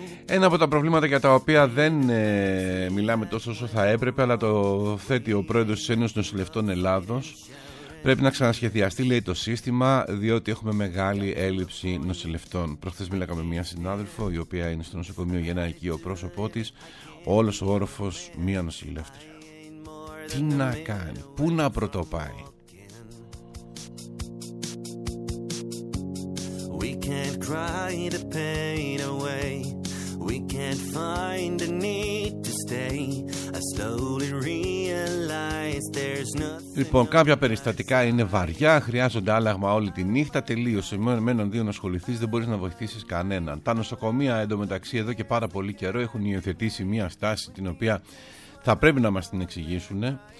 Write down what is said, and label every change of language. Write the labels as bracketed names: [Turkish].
[Greek] Ένα από τα προβλήματα για τα οποία δεν μιλάμε τόσο όσο θα έπρεπε, αλλά το θέτει ο πρόεδρος της Ένωσης Νοσηλευτών Ελλάδος, πρέπει να ξανασχεδιαστεί, λέει, το σύστημα, διότι έχουμε μεγάλη έλλειψη νοσηλευτών. Προχθές μίλαγα με μια συνάδελφο η οποία είναι στο νοσοκομείο για ένα οικείο πρόσωπό της, όλος ο όροφος μία νοσηλεύτρια. Τι να κάνει, πού να πρωτοπάει? [English] We can't cry the pain away. We can't find the need to stay. I slowly realize there's nothing. [Greek] Λοιπόν, κάποια περιστατικά είναι βαριά, χρειάζονται άλλαγμα όλη τη νύχτα. Τελείωσε. Με έναν δύο να ασχοληθείς, δεν μπορείς να βοηθήσεις κανέναν. Τα νοσοκομεία, εντωμεταξύ, εδώ και πάρα πολύ καιρό έχουν υιοθετήσει μια στάση την οποία θα πρέπει να μας την εξηγήσουν.